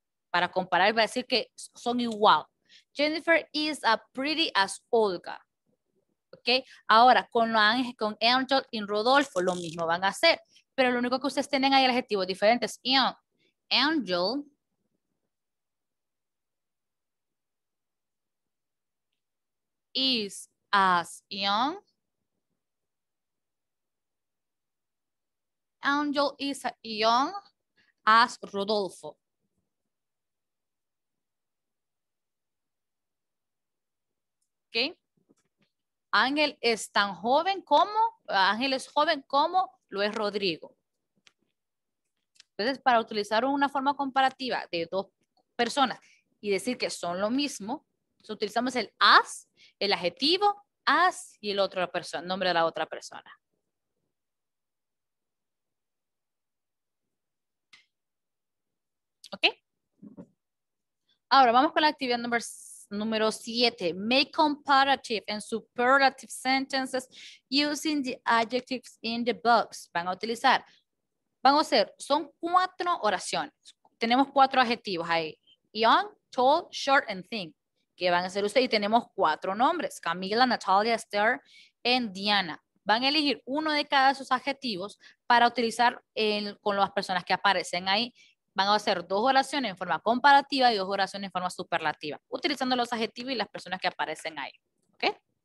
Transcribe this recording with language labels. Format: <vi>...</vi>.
<es>Para comparar va a decir que son igual.</es> <en>Jennifer is as pretty as Olga. Okay.</en> <es>Ahora con Angel y Rodolfo lo mismo van a hacer, pero lo único que ustedes tienen ahí el adjetivo diferente es Angel.</es> <en>Is as young. Angel is young as Rodolfo. Okay.</en> <es>Ángel es tan joven como, Ángel es joven como lo es Rodrigo. Entonces, para utilizar una forma comparativa de dos personas y decir que son lo mismo, utilizamos el as, el adjetivo, as y el otro persona, nombre de la otra persona. ¿Ok? Ahora vamos con la actividad número 7.</es> <en>Make comparative and superlative sentences using the adjectives in the box.</en> <es>Van a hacer, son cuatro oraciones. Tenemos cuatro adjetivos ahí.</es> <en>Young, tall, short, and thin.</en> <es>¿Qué van a hacer ustedes? Y tenemos cuatro nombres. Camila, Natalia, Esther, and Diana. Van a elegir uno de cada de sus adjetivos para utilizar con las personas que aparecen ahí. Van a hacer dos oraciones en forma comparativa y dos oraciones en forma superlativa, utilizando los adjetivos y las personas que aparecen ahí. ¿Ok?</es>